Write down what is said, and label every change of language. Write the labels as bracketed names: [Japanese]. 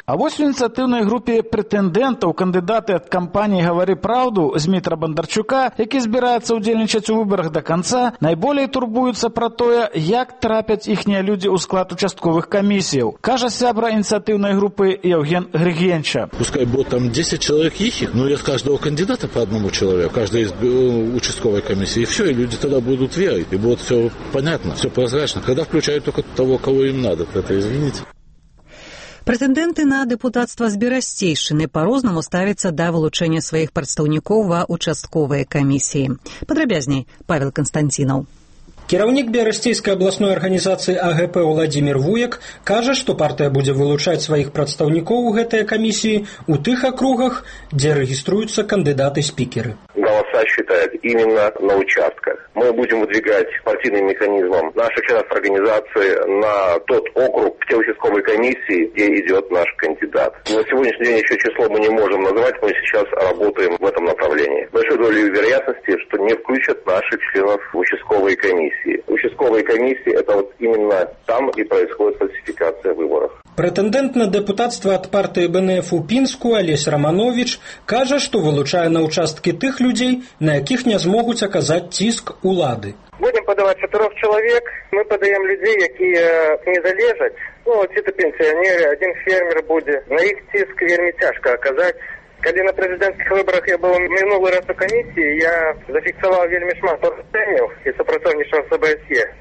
[Belarusian] А вось у ініцыятыўнай групе прэтэндэнтаў кандыдаты ад кампаніі «Гавары праўду» Змітра Бандарчука, які збіраецца ўдзельнічаць у выбарах да канца, найболей турбуюцца пра тое, як трапяць іхнія людзі ў склад участковых камісіяў. Кажа сябра ініцыятыўнай групы Яўген Грыгенча. Пускай бо там 10 чалавек іхіх, ну я з кожнага кандыдата па аднаму чалавеку, кожнай з участковай камісіі, і ўсё, і людзі тады будуць верыць, і бо ўсё [Russian] понятна. Прозрачно, когда включают только того, кого им надо, это извините. [Belarusian] Прэтэндэнты на дэпутацтва з Берасцейшчыны па-рознаму ставяцца да вылучэння сваіх прадстаўнікоў ва участковыя камісіі. Падрабязней Павел Канстанцінаў. Кіраўнік Берасцейскай абласной арганізацыі АГП Уладзімір Вуяк кажа, што партыя будзе вылучаць сваіх прадстаўнікоў у гэтай камісіі ў тых акругах, дзе рэгіструюцца кандыдаты-спікеры. [Russian] Голоса считают именно на участках. Мы будем выдвигать партийным механизмом наших членов организации на тот округ, в те участковые комиссии, где идет наш кандидат. На сегодняшний день еще число мы не можем называть, мы сейчас работаем в этом направлении. Большой долей вероятности, что не включат наших членов в участковые комиссии. Участковые комиссии – это вот именно там и происходит фальсификация выборов. [Belarusian] Прэтэндэнт на дэпутацтва ад партыі БНФ у Пінску Алесь Раманович кажа, што вылучае на ўчасткі тых людзей, на якіх не змогуць аказаць ціск улады. [Russian] Будем подавать 4 человек. Мы подаем людей, которые [Belarusian] не залежат. [Russian] Ну, это пенсионеры, один фермер будет. На их тиск [Belarusian] вельми тяжко [Russian] оказать. Когда на президентских выборах я был минулый раз в комиссии, я зафиксовал [Belarusian] вельми шмат порушений [Russian] и сопротивничал с ОБСЕ.